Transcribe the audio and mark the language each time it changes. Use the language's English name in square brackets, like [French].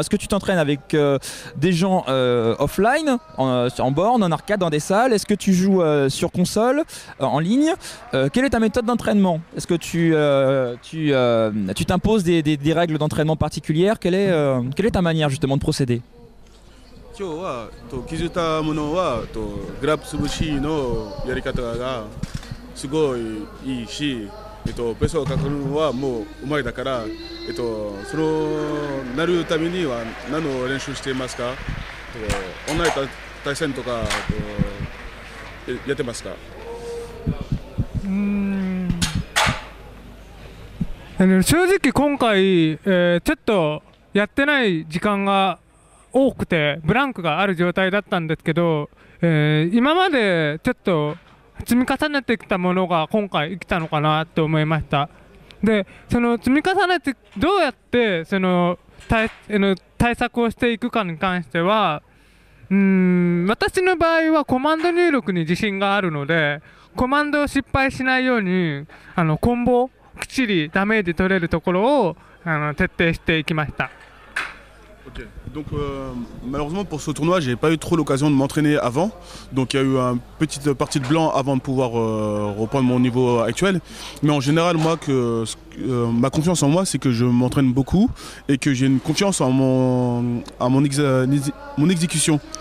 [French] Est-ce que tu t'entraînes avec des gens offline, en borne, en arcade, dans des salles? Est-ce que tu joues sur console, en ligne? Quelle est ta méthode d'entraînement? Est-ce que tu t'imposes des règles d'entraînement particulières? Quelle est ta manière justement de procéder? [Japanese] 今日は気づいたものはグラップ潰しのやり方がすごいいいし、ペースを書くのはもう上手いだから、そのなるためには何を練習していますか？オンライン対戦とかとやってますか？正直今回、ちょっとやってない時間が多くてブランクがある状態だったんですけど、今までちょっと積み重ねてきたものが今回生きたのかなと思いました。で、その積み重ねてどうやってその 対策をしていくかに関しては、私の場合はコマンド入力に自信があるので、コマンドを失敗しないように、あのコンボきっちりダメージ取れるところを徹底していきました。 [French] Ok, donc malheureusement pour ce tournoi, j'ai pas eu trop l'occasion de m'entraîner avant. Donc il y a eu une petite partie de blanc avant de pouvoir reprendre mon niveau actuel. Mais en général, moi, ma confiance en moi, c'est que je m'entraîne beaucoup et que j'ai une confiance en mon exécution.